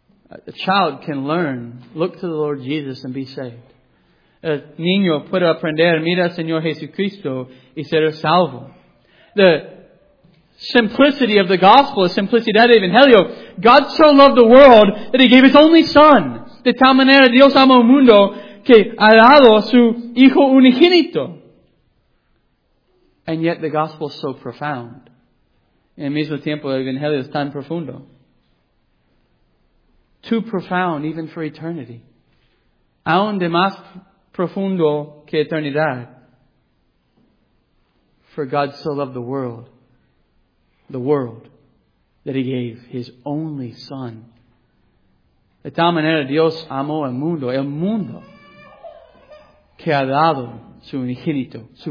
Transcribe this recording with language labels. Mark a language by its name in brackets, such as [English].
[English] A child can learn, look to the Lord Jesus and be saved. [Spanish] A niño puede aprender, mira Señor Jesucristo y ser salvo. [English] The simplicity of the gospel, the [Spanish] simplicidad de Evangelio. [English] God so loved the world that He gave His only Son. [Spanish] De tal manera Dios ama el mundo que ha dado su Hijo unigénito. [English] And yet the gospel is so profound. [Spanish] En el mismo tiempo, el Evangelio es tan profundo. [English] Too profound even for eternity. [Spanish] Aún de más profundo que eternidad. [English] For God so loved the world, that He gave His only Son. [Spanish] De tal manera Dios amó el mundo, que ha dado su unigénito.